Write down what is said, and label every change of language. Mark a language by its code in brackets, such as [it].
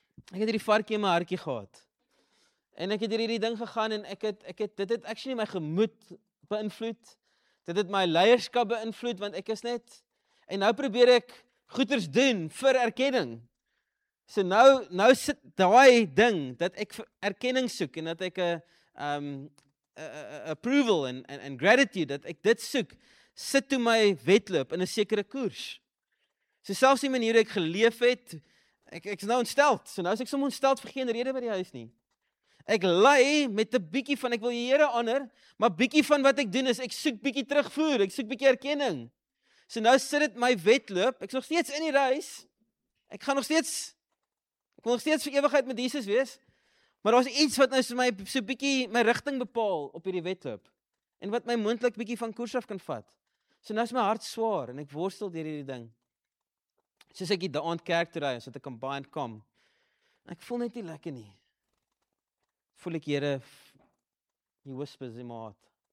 [af] Ek het hierdie varkie in my hartjie gehad. En ek het hierdie ding gegaan en dit het actually my gemoed beïnvloed. Dit het my leierskap beïnvloed want ek is net en nou probeer ek goeders doen vir erkenning. So nou sit daai ding dat ek erkenning soek en dat ek 'n approval en gratitude dat ek dit soek sit toe my wedloop in 'n sekere koers. So selfs die manier hoe ek geleef het, ek is nou ontsteld. So nou is ek sommer ontsteld vir geen rede by die huis nie. Ek lei met 'n bietjie van ek wil die Here honor, maar bietjie van wat ek doen is ek soek bietjie terugvoer, ek soek bietjie erkenning. So nou sit dit my wedloop, ek's nog steeds in die reis. Ek wil nog steeds vir ewigheid met Jesus wees. Maar daar's iets wat nou vir my so bietjie my rigting bepaal op hierdie wedloop en wat my moontlik bietjie van koers af kan vat. So nou is my hart swaar en ek worstel deur hierdie ding. Soos ek die aand kerk toe ry, so 'n combined kom. Ek voel net nie lekker nie. [en] Voel ek Here, He whispers in my heart.